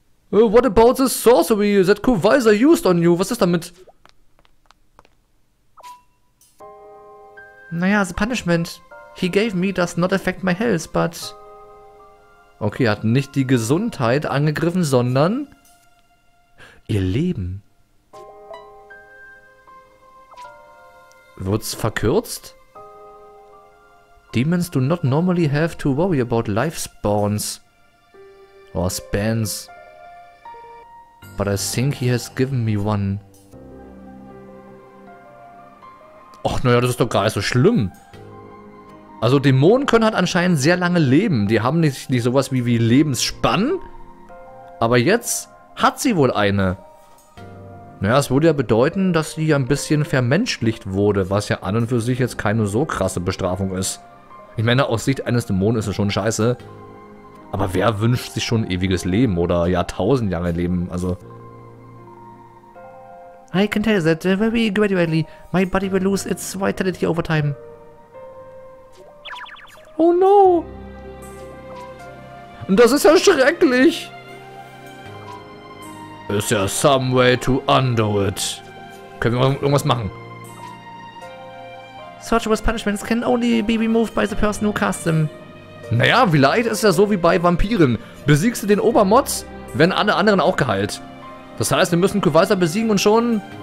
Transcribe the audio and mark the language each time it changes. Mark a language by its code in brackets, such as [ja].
[en] What about the sorcery that Kuvisor used on you? [de] Was ist damit? [en] Naja, the punishment he gave me does not affect my health, but... [de] Okay, er hat nicht die Gesundheit angegriffen, sondern... Ihr Leben. Wird's verkürzt? [en] Demons do not normally have to worry about life spawns. Or spans. But I think he has given me one. [de] Och, naja, das ist doch gar nicht so schlimm. Also Dämonen können halt anscheinend sehr lange leben. Die haben nicht sowas wie Lebensspann. Aber jetzt hat sie wohl eine. Naja, es würde ja bedeuten, dass sie ein bisschen vermenschlicht wurde, was ja an und für sich jetzt keine so krasse Bestrafung ist. Ich meine, aus Sicht eines Dämonen ist es schon scheiße. Aber wer wünscht sich schon ewiges Leben oder Jahrtausend Jahre Leben, also... [en] I can tell that very gradually my body will lose its vitality over time. Oh no! [de] Das ist ja schrecklich! [en] Is there some way to undo it? [de] Können wir irgendwas machen? [en] Sorcerer's punishments can only be removed by the person who casts them. [de] Naja, vielleicht ist es ja so wie bei Vampiren. Besiegst du den Obermods, werden alle anderen auch geheilt. Das heißt, wir müssen Kuvisor besiegen und schon...